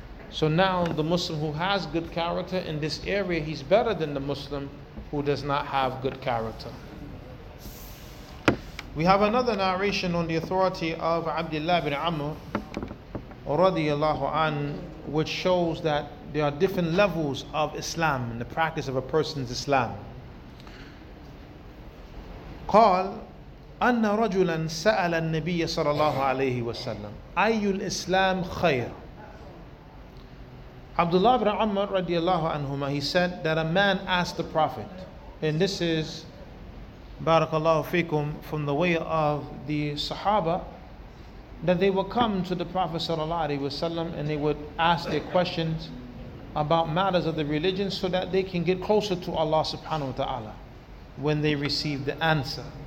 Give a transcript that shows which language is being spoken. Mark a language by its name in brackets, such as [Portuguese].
[English] So now the Muslim who has good character in this area, he's better than the Muslim who does not have good character. We have another narration on the authority of Abdullah ibn Amr radiyallahu an, which shows that there are different levels of Islam in the practice of a person's Islam. [Arabic] قال أن رجلا سأل النبي صلى الله عليه وسلم أي الإسلام خير. [English] Abdullah ibn Amr radiyallahu anhuma, he said that a man asked the Prophet, and this is barakallahu fikum from the way of the Sahaba, that they would come to the Prophet sallallahu alaihi wasallam and they would ask their questions about matters of the religion so that they can get closer to Allah subhanahu wa ta'ala when they receive the answer.